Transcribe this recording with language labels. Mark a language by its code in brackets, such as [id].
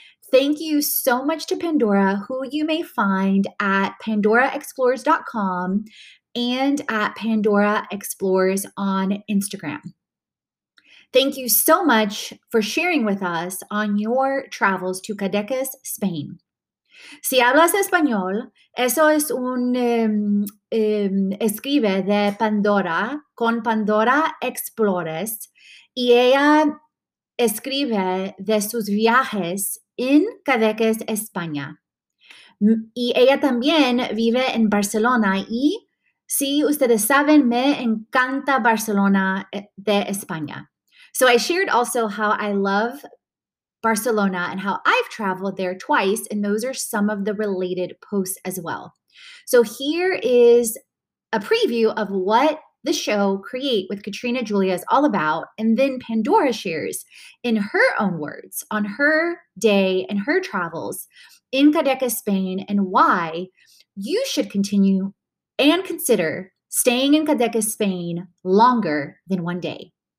[en] Thank you so much to Pandora, who you may find at pandoraexplores.com and at Pandora Explores on Instagram. Thank you so much for sharing with us on your travels to Cadaqués, Spain. [es] Si hablas español, eso es un escribe de Pandora con Pandora Explores y ella escribe de sus viajes en Cadaqués, España. Y ella también vive en Barcelona y si ustedes saben, me encanta Barcelona de España. [en] So I shared also how I love Barcelona and how I've traveled there twice, and those are some of the related posts as well. So here is a preview of what the show Create with Katrina Julia is all about, and then Pandora shares in her own words on her day and her travels in Cadaqués, Spain, and why you should continue and consider staying in Cadaqués, Spain longer than one day.